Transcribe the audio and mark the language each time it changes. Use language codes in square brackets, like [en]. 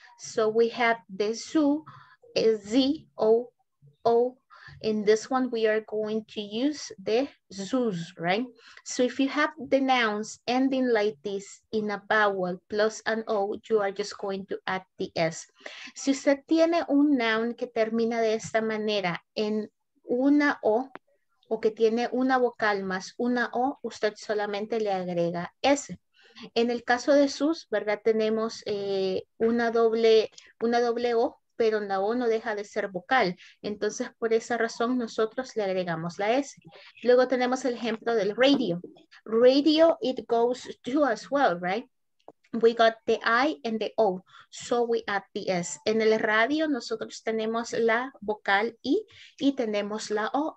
[en] So we have the zoo, Z-O-O. In this one, we are going to use the zoos, right? So if you have the nouns ending like this in a vowel plus an O, you are just going to add the S. [es] Si usted tiene un noun que termina de esta manera en una O, o que tiene una vocal más una O, usted solamente le agrega S. En el caso de sus, ¿verdad? Tenemos una doble O, pero la O no deja de ser vocal. Entonces, por esa razón, nosotros le agregamos la S. Luego tenemos el ejemplo del radio. Radio, [en] it goes to as well, right? We got the I and the O, so we add the S. [es] En el radio nosotros tenemos la vocal I y tenemos la O.